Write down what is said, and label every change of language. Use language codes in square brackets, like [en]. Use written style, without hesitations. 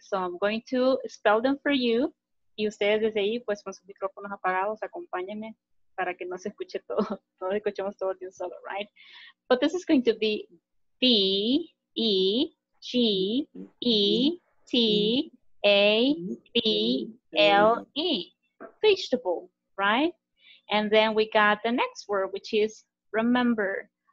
[en] So I'm going to spell them for you. [es] Y ustedes desde ahí, pues con sus micrófonos apagados, acompáñenme para que no se escuche todo. No escuchemos todo de un solo, right? [en] But this is going to be V-E-G-E-T-A-B-L-E. Vegetable, right? And then we got the next word, which is remember.